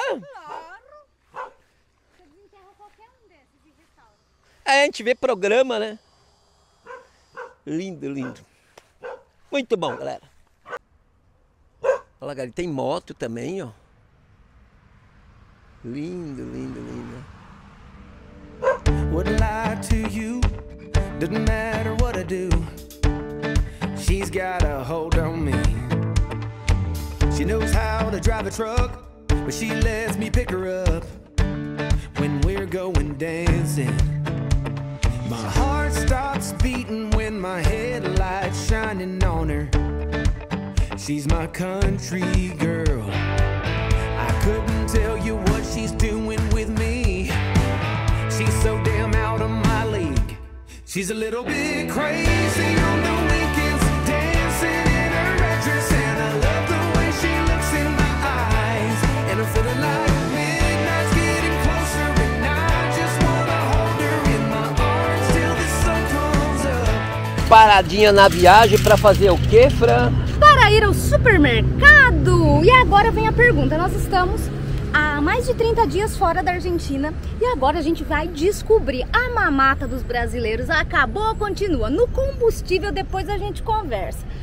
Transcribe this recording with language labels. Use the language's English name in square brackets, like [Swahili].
[Portuguese] Claro. Você desenterra qualquer um desses de restauro. É, a gente vê programa, né? Lindo, lindo. Muito bom, galera. Olha, galera, tem moto também, ó. Lindo, lindo, lindo. [English] Would lie to you, doesn't matter what I do. She's got a hold on me. She knows how to drive a truck, but she lets me pick her up when we're going dancing. My heart stops beating when my headlight's shining on her. She's my country girl. I couldn't tell you what she's doing with me. She's so damn out of my league. She's a little bit crazy on the weekends, dancing in her red dress. And I love the way she looks in my eyes. And I'm feeling like midnight's getting closer. And I just wanna hold her in my arms till the sun comes up. [Portuguese] Paradinha na viagem pra fazer o quê, Fran? Para ir ao supermercado! E agora vem a pergunta, nós estamos há mais de 30 dias fora da Argentina e agora a gente vai descobrir a mamata dos brasileiros. Acabou ou continua? No combustível depois a gente conversa.